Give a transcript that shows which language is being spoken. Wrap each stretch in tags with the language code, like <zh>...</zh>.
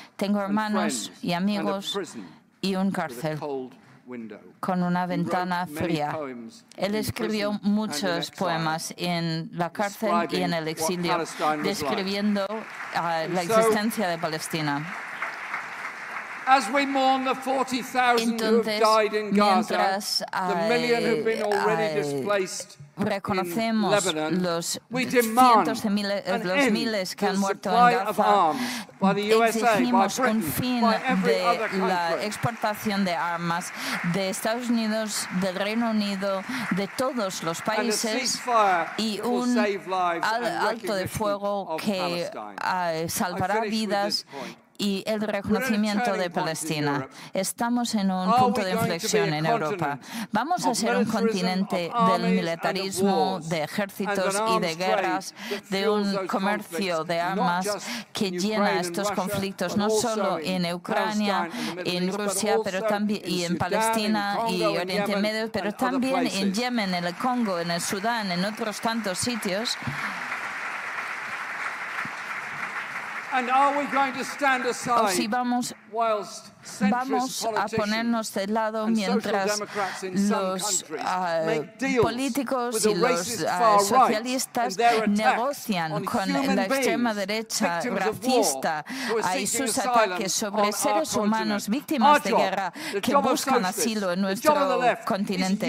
<es>Tengo hermanos y amigos y un cárcel con una ventana fría. Él escribió muchos poemas en la cárcel y en el exilio, describiendo la existencia de Palestina.</es> <en>As we mourn the 40,000 who have died in Gaza, the million who have been already displaced</en> <es>reconocemos</es> <en>in Lebanon,</en> <es>los cientos de miles, los miles que han muerto en Gaza, exigimos un fin de la exportación de armas de Estados Unidos, del Reino Unido, de todos los países y un alto de fuego que salvará vidas y el reconocimiento de Palestina. Estamos en un punto de inflexión en Europa. ¿Vamos a ser un continente del militarismo, de ejércitos y de guerras, de un comercio de armas que llena estos conflictos, no solo en Ucrania, en Rusia, pero también y en Palestina y Oriente Medio, pero también en Yemen, en el Congo, en el Sudán, en otros tantos sitios?</es> <en>And are we going to stand aside whilst</en> <es>vamos a ponernos de lado mientras los políticos y los socialistas negocian con la extrema derecha racista y sus ataques sobre seres humanos víctimas de guerra que buscan asilo en nuestro continente?</es>